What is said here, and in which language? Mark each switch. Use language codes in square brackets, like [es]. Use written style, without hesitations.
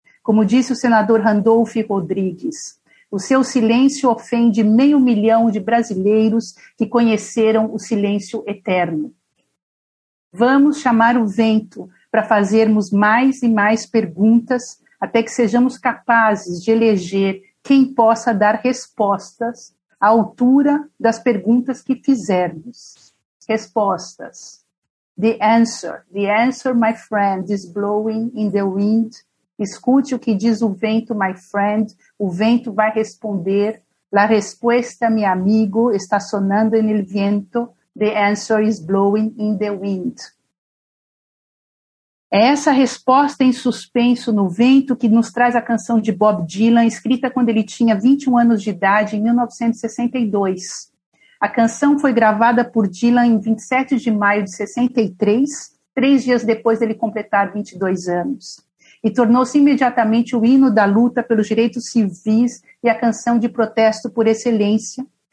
[pt] Como disse o senador Randolph Rodrigues, o seu silêncio ofende 500 mil de brasileiros que conheceram o silêncio eterno. Vamos chamar o vento para fazermos mais e mais perguntas até que sejamos capazes de eleger quem possa dar respostas à altura das perguntas que fizermos. Respostas. [en] The answer, my friend, is blowing in the wind. [pt] Escute o que diz o vento, [en] my friend. [pt] O vento vai responder. [es] La respuesta, mi amigo, está sonando en el viento. [en] The answer is blowing in the wind. [pt] É essa resposta em suspenso no vento que nos traz a canção de Bob Dylan, escrita quando ele tinha 21 anos de idade, em 1962. A canção foi gravada por Dylan em 27 de maio de 63, 3 dias depois dele completar 22 anos, e tornou-se imediatamente o hino da luta pelos direitos civis e a canção de protesto por excelência.